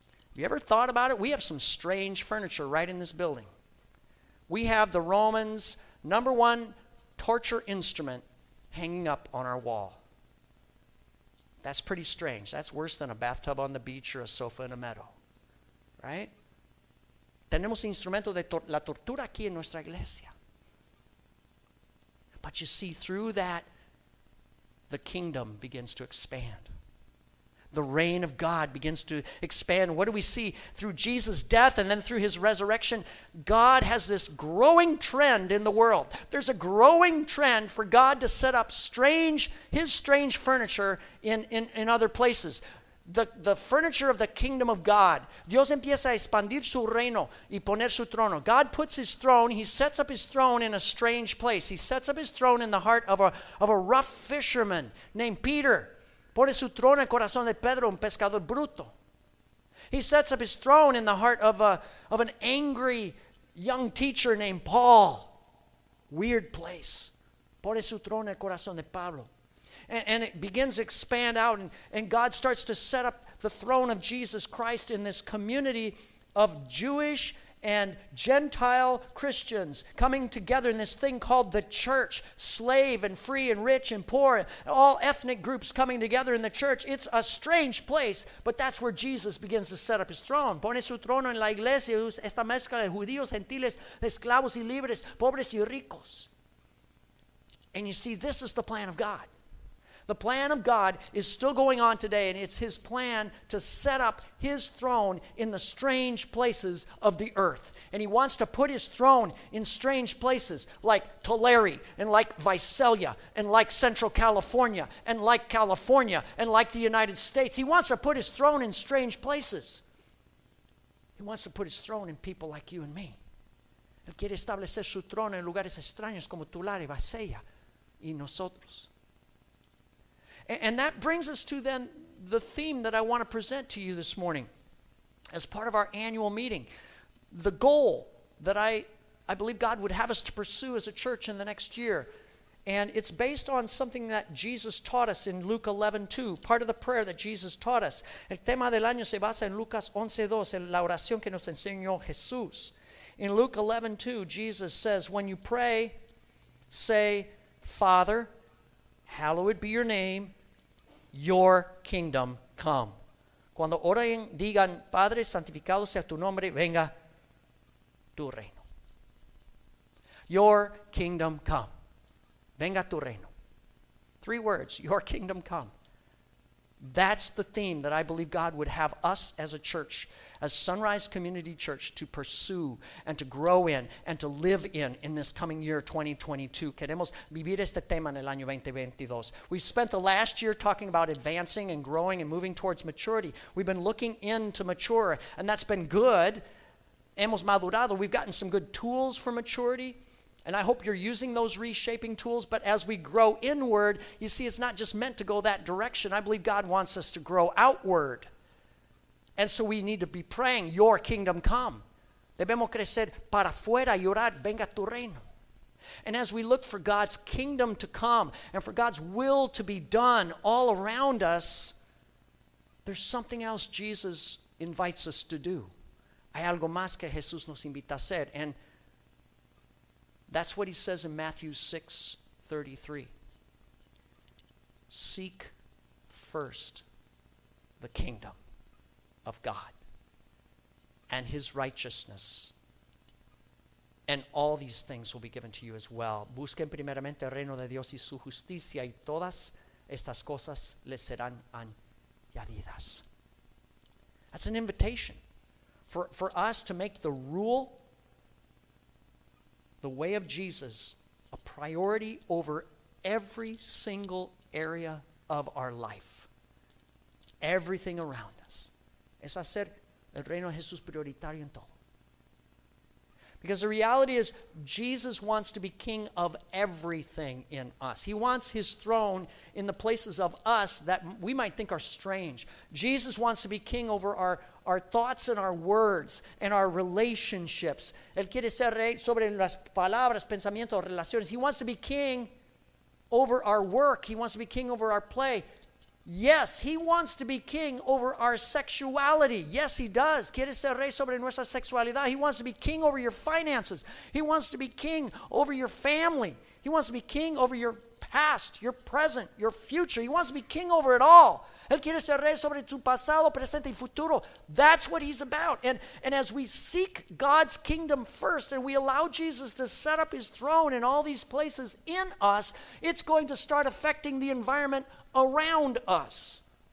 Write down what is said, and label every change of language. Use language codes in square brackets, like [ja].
[en] Have you ever thought about it? We have some strange furniture right in this building. We have the Romans' number one torture instrument hanging up on our wall. That's pretty strange. That's worse than a bathtub on the beach or a sofa in a meadow, right? [es] Tenemos instrumento de la tortura aquí en nuestra iglesia. [en] But you see, through that, the kingdom begins to expand. The reign of God begins to expand. What do we see? Through Jesus' death and then through his resurrection, God has this growing trend in the world. There's a growing trend for God to set up his strange furniture in other places. The furniture of the kingdom of God. [es] Dios empieza a expandir su reino y poner su trono. [en] God puts his throne, he sets up his throne in a strange place. He sets up his throne in the heart of a rough fisherman named Peter. [es] Pone su trono en el corazón de Pedro, un pescador bruto. [en] He sets up his throne in the heart of an angry young teacher named Paul. Weird place. [es] Pone su trono en el corazón de Pablo. [en] And it begins to expand out, and God starts to set up the throne of Jesus Christ in this community of Jewish and Gentile Christians coming together in this thing called the church, slave and free and rich and poor, all ethnic groups coming together in the church. It's a strange place, but that's where Jesus begins to set up his throne. [es] Pone su trono en la iglesia, esta mezcla de judíos, gentiles, de esclavos y libres, pobres y ricos. [en] And you see, this is the plan of God. The plan of God is still going on today, and it's his plan to set up his throne in the strange places of the earth. And he wants to put his throne in strange places like Tulare and like Visalia and like Central California and like California and like the United States. He wants to put his throne in strange places. He wants to put his throne in people like you and me. [es] Él quiere establecer su trono en lugares extraños como Tulare, Visalia y nosotros. [en] And that brings us to then the theme that I want to present to you this morning as part of our annual meeting. The goal that I believe God would have us to pursue as a church in the next year. And it's based on something that Jesus taught us in Luke 11:2, part of the prayer that Jesus taught us. [es] El tema del año se basa en Lucas 11:2, en la oración que nos enseñó Jesús. [en] In Luke 11:2, Jesus says, when you pray, say, Father, hallowed be your name, your kingdom come. [es] Cuando oren, digan, Padre, santificado sea tu nombre, venga tu reino. [en] Your kingdom come. [es] Venga tu reino. [en] Three words, your kingdom come. That's the theme that I believe God would have us as a church, as Sunrise Community Church, to pursue and to grow in and to live in this coming year, 2022. [es] Queremos vivir este tema en el año 2022. [en] We've spent the last year talking about advancing and growing and moving towards maturity. We've been looking into mature, and that's been good. [es] Hemos madurado. [en] We've gotten some good tools for maturity. And I hope you're using those reshaping tools, but as we grow inward, you see, it's not just meant to go that direction. I believe God wants us to grow outward. And so we need to be praying, your kingdom come. [es] Debemos crecer para afuera y orar, venga tu reino. [en] And as we look for God's kingdom to come and for God's will to be done all around us, there's something else Jesus invites us to do. [es] Hay algo más que Jesús nos invita a hacer. [en] And that's what he says in Matthew 6:33. Seek first the kingdom of God and his righteousness, and all these things will be given to you as well. [es] Busquen primeramente el reino de Dios y su justicia, y todas estas cosas les serán añadidas. [en] That's an invitation for us to make the rule, the way of Jesus, a priority over every single area of our life, everything around us. [es] Es hacer el reino de Jesús prioritario en todo. [en] Because the reality is, Jesus wants to be king of everything in us. He wants his throne in the places of us that we might think are strange. Jesus wants to be king over our thoughts and our words and our relationships. [es] Él quiere ser rey sobre las palabras, pensamientos, relaciones. [en] He wants to be king over our work. He wants to be king over our play. Yes, he wants to be king over our sexuality. Yes, he does. [es] Quiere ser rey sobre nuestra sexualidad. [en] He wants to be king over your finances. He wants to be king over your family. He wants to be king over your past, your present, your future. He wants to be king over it all. [es] Él quiere ser rey sobre tu pasado, presente y futuro. [en] That's what he's about. And as we seek God's kingdom first and we allow Jesus to set up his throne in all these places in us, it's going to start affecting the environment around us.